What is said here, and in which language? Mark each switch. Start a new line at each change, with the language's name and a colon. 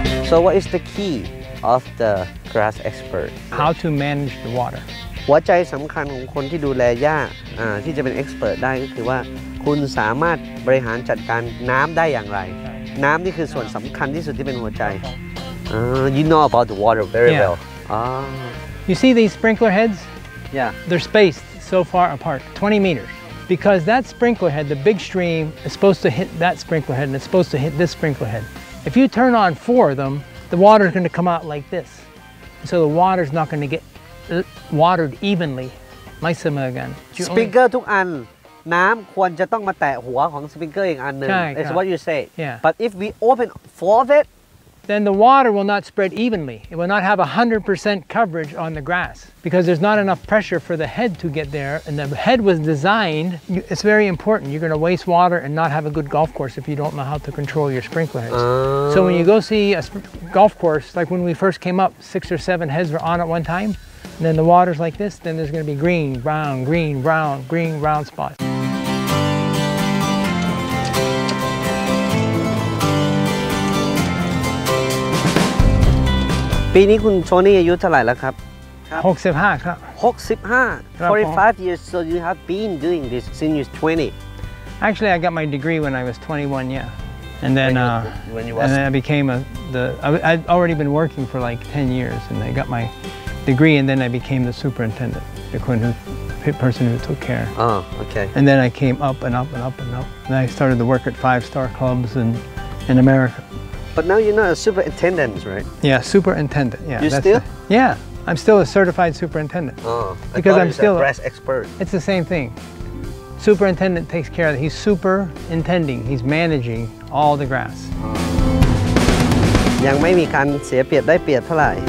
English: So what is the key of the grass expert? How to manage the water.
Thai: หัวใจสำคัญของคนที่ดูแลหญ้าที่จะเป็น expert ได้ก็คือว่าคุณสามารถบริหารจัดการน้ำได้อย่างไรน้ำนี่คือส่วนสำคัญที่สุดที่เป็นหัวใจ
English: You know about the water very well. You see these sprinkler heads? Yeah. They're spaced so far apart, 20 meters. Because that sprinkler head, the big stream, is supposed to hit that sprinkler head and it's supposed to hit this sprinkler head. If you turn on four of them, the water is going to come out like this. So the water is not going to get watered evenly. My similar again.
Thai: Sprinkler ทุกอันน้ำควรจะต้องมาแตะหัวของสปริงเกอร์อีกอันนึง
English: That's what you say. Yeah. But if we open four of it, then the water will not spread evenly. It will not have 100% coverage on the grass because there's not enough pressure for the head to get there. And the head was designed, it's very important. You're going to waste water and not have a good golf course if you don't know how to control your sprinkler heads. So when you go see a golf course, like when we first came up, six or seven heads were on at one time. And then the water's like this, then there's going to be green, brown, green, brown, green, brown spots.
Thai: ปีนี้คุณโทนี่อายุเท่าไหร่แล้วครับ 65ครับ
English: 65 45 years so you have been doing this since you're 20 actually I got my degree when I was 21 yeah and then I became I'd already been working for like 10 years and I got my degree and then I became the superintendent the person who took care okay and then I came up and up and up and up and I started to work at 5-star clubs in America But now you're not a superintendent, right? Yeah, superintendent. Yeah. You still? I'm still a certified superintendent. Because I'm still a grass expert. It's the same thing. Superintendent takes care of it. He's superintending. He's managing all the grass.
Thai: ยังไม่มีการเสียเปรียบได้เปรียบเท่าไหร